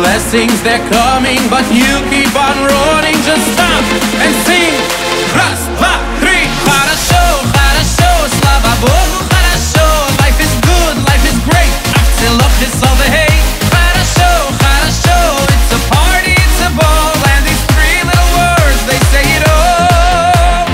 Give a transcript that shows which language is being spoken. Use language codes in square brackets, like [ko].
[en] Things they're coming, but you keep on running. Just stop and sing. [ru] Раз, два, три. Хорошо, хорошо, слава богу, хорошо. [en] Life is good, life is great. I still love this all the hate. [ru] Хорошо, хорошо, [en] it's a party, it's a ball. And these three little words, they say it all.